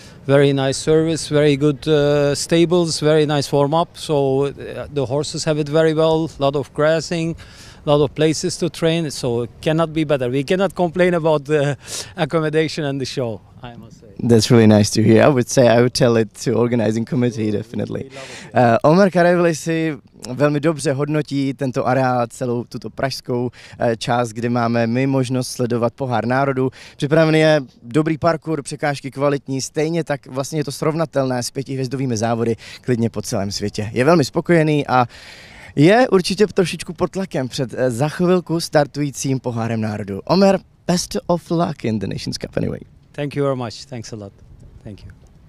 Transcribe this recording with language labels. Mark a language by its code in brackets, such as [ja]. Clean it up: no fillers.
[en] Very nice service, very good stables, very nice warm-up. So the horses have it very well, a lot of grassing, a lot of places to train. So it cannot be better. We cannot complain about the accommodation and the show, I must say. That's really nice to hear. I would tell it to organizing committee, definitely. [cs] Omer Karaevli si velmi dobře hodnotí tento areál, celou tuto pražskou část, kde máme my možnost sledovat pohár národů. Připravený je dobrý parkour, překážky kvalitní, stejně tak vlastně je to srovnatelné s pětihvězdovými závody klidně po celém světě. Je velmi spokojený a je určitě trošičku pod tlakem před za chvilku startujícím pohárem národů. [en] Omer, best of luck in the Nations Cup anyway. Thank you very much. Thanks a lot. Thank you.